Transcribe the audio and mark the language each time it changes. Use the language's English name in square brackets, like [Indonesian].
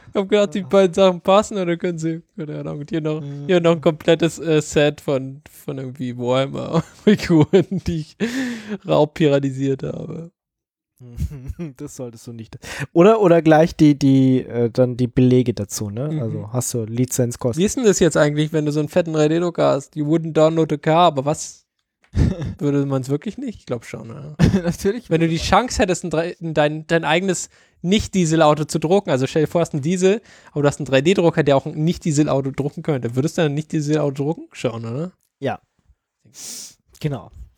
[German] Ich hab gedacht, die beiden Sachen passen oder können sie, keine Ahnung, hier noch ein komplettes Set von irgendwie Warhammer Figuren, die ich raubpiratisiert habe. Das solltest du nicht. Oder gleich die Belege dazu, ne? Mhm. Also hast du Lizenzkosten. Wie ist denn das jetzt eigentlich, wenn du so einen fetten 3D-Drucker hast? [English] You wouldn't download a car, [German] aber was? Würde man es wirklich nicht? Ich glaube schon, ja. Natürlich. Wenn du die Chance hättest, dein eigenes Nicht-Dieselauto zu drucken, also stell dir vor, du hast einen Diesel, aber du hast einen 3D-Drucker, der auch ein Nicht-Dieselauto drucken könnte, würdest du dann ein Nicht-Dieselauto drucken? Schon, oder? Ja. Genau.